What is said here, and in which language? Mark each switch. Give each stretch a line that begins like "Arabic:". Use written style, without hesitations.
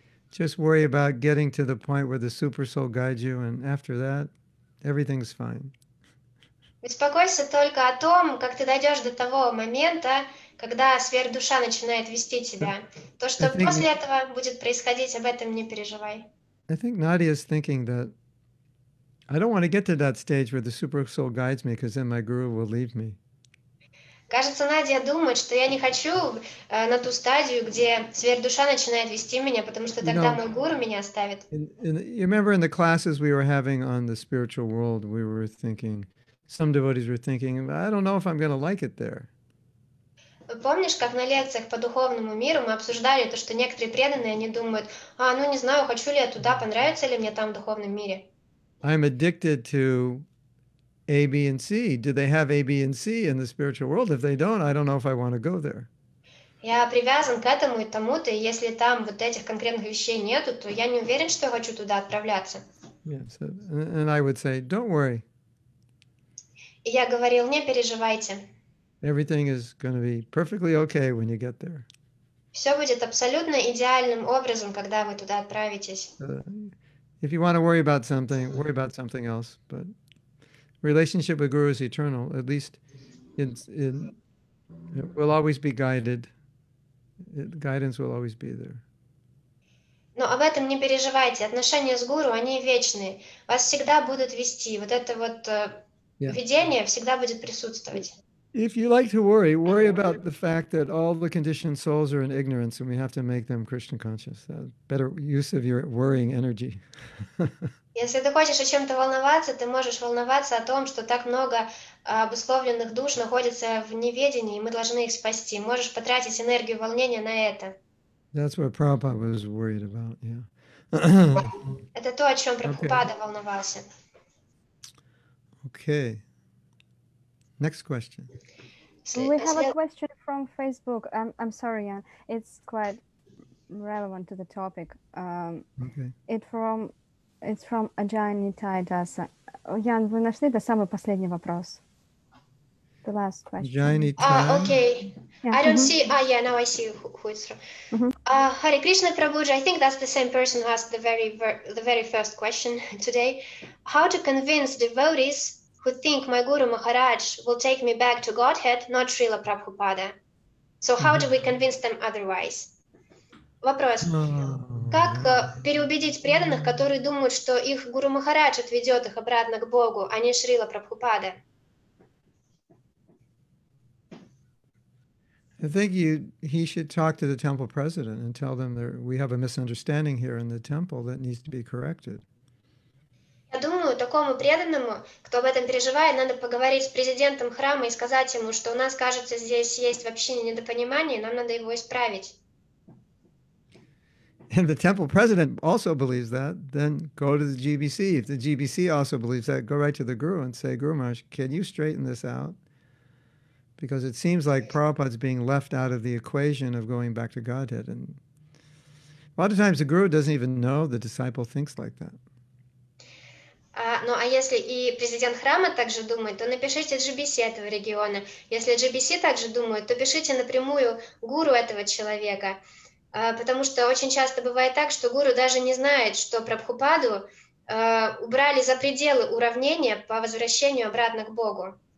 English: Just worry about getting to the point where the super soul guides you, and after that, everything's fine.
Russian: Беспокойся только о том, как ты дойдешь до того момента, когда сверхдуша начинает вести тебя. То, что после этого будет происходить, об этом не переживай.
English: I think Nadia is thinking that I don't want to get to that stage where the super soul guides me, because then my guru will leave me.
Russian: Кажется, Надя думает, что я не хочу на ту стадию, где сверхдуша начинает вести меня, потому что тогда мой гуру меня оставит.
English: You remember in the classes we were having on the spiritual world, we were thinking. Some devotees were thinking, I don't know if I'm going to like it there.
Russian: Помнишь, как на лекциях по духовному миру мы обсуждали то, что некоторые преданные, они думают, ну не знаю, хочу ли я туда, понравится ли мне там в духовном мире.
English: I'm addicted to A, B, and C. Do they have A, B, and C in the spiritual world? If they don't, I don't know if I want to go there.
Russian: Я привязан к этому и тому-то, и если там вот этих конкретных вещей нету, то я не уверен, что я хочу туда отправляться.
English: Yes, and I would say, don't worry.
Russian: И я говорил, не переживайте.
English: Everything is going to be perfectly okay when you get there.
Russian: Все будет абсолютно идеальным образом, когда вы туда отправитесь.
English: If you want to worry about something else. But relationship with Guru is eternal. At least it will always be guided. Guidance will always be there.
Russian: Но об этом не переживайте. Отношения с Гуру, они вечные. Вас всегда будут вести. Вот это вот... Yeah. Видение всегда будет присутствовать.
English: If you like to worry, worry about the fact that all the conditioned souls are in ignorance and we have to make them Krishna conscious. That's better use of your worrying energy.
Russian: Если ты хочешь о чем-то волноваться, ты можешь волноваться о том, что так много обусловленных душ находится в неведении, и мы должны их спасти. Можешь потратить энергию волнения на это.
English: That's what Prabhupada was worried about, yeah.
Russian: Это то, о чем Прабхупада волновался.
English: Okay. Next question. We have a question from Facebook. I'm sorry, Jan. It's quite relevant to the topic. It's from Ajay Nitai Dasa.
Russian: Jan, вы нашли до самый последний вопрос?
English: The last question. Ajay Nitai. Okay. Yeah. I don't see. Now I see who it's from. Mm-hmm. Hare Krishna Prabhuji. I think that's the same person who asked the very first question today. How to convince devotees who think my Guru Maharaj will take me back to Godhead, not Srila Prabhupada. So how do we convince them otherwise? Вопрос.
Russian: Как переубедить преданных, которые думают, что их Гуру Махарадж отведет их обратно к Богу, а не Шрила Прабхупада?
English: I think he should talk to the temple president and tell them that we have a misunderstanding here in the temple that needs to be corrected.
Russian: Я думаю, такому преданному, кто об этом переживает, надо поговорить с президентом храма и сказать ему, что у нас, кажется, здесь есть вообще недопонимание, нам надо его исправить.
English: And the temple president also believes that, then go to the GBC. If the GBC also believes that, go right to the guru and say, Guru Maharaj, can you straighten this out? Because it seems like Prabhupada's being left out of the equation of going back to Godhead. And a lot of times the guru doesn't even know the disciple thinks like that.
Russian: Ну, а если и президент храма также думает, то напишите GBC этого региона. Если GBC также думает, то пишите напрямую гуру этого человека. Потому что очень часто бывает так, что гуру даже не знает, что Прабхупаду убрали за пределы уравнения по возвращению обратно к Богу.